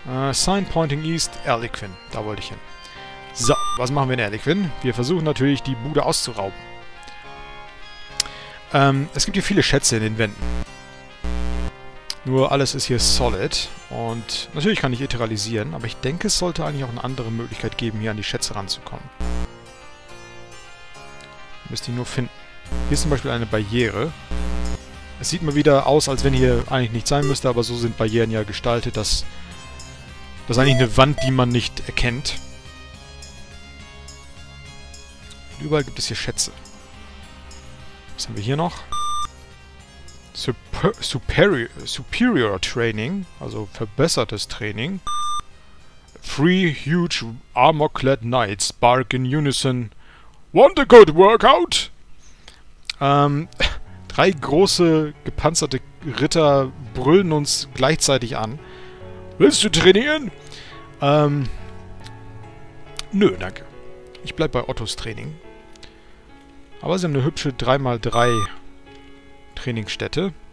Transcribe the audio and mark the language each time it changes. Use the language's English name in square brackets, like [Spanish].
[English] Sign pointing east, [German] Erlequin. Da wollte ich hin. So, was machen wir in Erlequin? Wir versuchen natürlich, die Bude auszurauben. Es gibt hier viele Schätze in den Wänden. Nur alles ist hier solid. Und natürlich kann ich iteralisieren, aber ich denke, es sollte eigentlich auch eine andere Möglichkeit geben, hier an die Schätze ranzukommen. Müsste ich nur finden. Hier ist zum Beispiel eine Barriere. Es sieht mal wieder aus, als wenn hier eigentlich nicht sein müsste, aber so sind Barrieren ja gestaltet, dass... Das ist eigentlich eine Wand, die man nicht erkennt. Und überall gibt es hier Schätze. Was haben wir hier noch? Superior Training, also verbessertes Training. [English] Three huge armor-clad knights bark in unison. Want a good workout? [German] Drei große gepanzerte Ritter brüllen uns gleichzeitig an. Willst du trainieren? Nö, danke. Ich bleib bei Ottos Training. Aber sie haben eine hübsche 3x3 Trainingsstätte.